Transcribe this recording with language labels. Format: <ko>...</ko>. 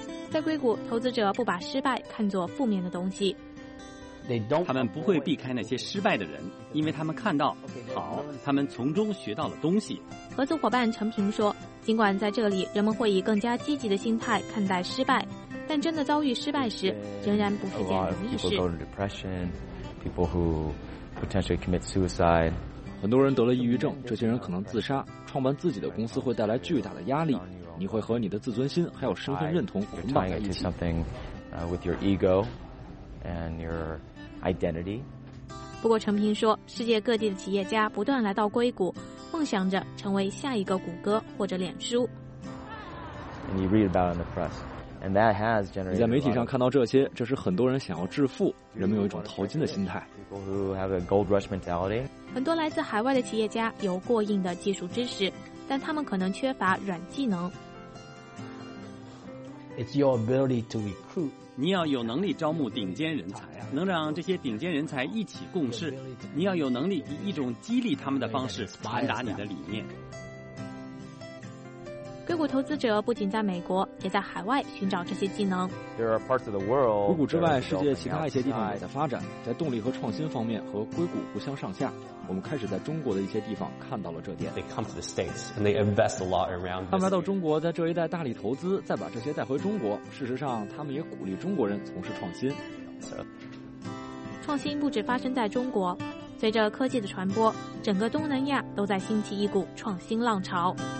<zh>在硅谷，投资者不把失败看作负面的东西，他们不会避开那些失败的人，因为他们看到，好，他们从中学到了东西。合作伙伴陈平说，尽管在这里人们会以更加积极的心态看待失败，但真的遭遇失败时仍然不是件容易事。</zh> <en>People go into depression, people who potentially commit suicide.</en> <zh>很多人得了抑郁症，这些人可能自杀。创办自己的公司会带来巨大的压力，你会和你的自尊心还有身份认同捆绑在一起。</zh> <en>You're tying it to something with your ego and your identity.</en> <zh>不过陈平说，世界各地的企业家不断来到硅谷，梦想着成为下一个谷歌或者脸书。</zh> <en>And you read about it in the press. And that has generated.</en> <zh>你在媒体上看到这些，这是很多人想要致富，人们有一种淘金的心态。</zh> <en>People who have a gold rush mentality.</en> <zh>很多来自海外的企业家有过硬的技术知识，但他们可能缺乏软技能。</zh> <en>It's your ability to recruit.</en> <zh>你要有能力招募顶尖人才，能让这些顶尖人才一起共事。你要有能力以一种激励他们的方式传达你的理念。硅谷投资者不仅在美国，也在海外寻找这些技能。硅谷之外，世界其他一些地方也在发展，在动力和创新方面和硅谷不相上下。我们开始在中国的一些地方看到了这点。</zh> <en>They come to the States and they invest a lot around.</en> <zh>他们来到中国，在这一带大力投资，再把这些带回中国。事实上，他们也鼓励中国人从事创新。创新不止发生在中国，随着科技的传播，整个东南亚都在兴起一股创新浪潮。</zh>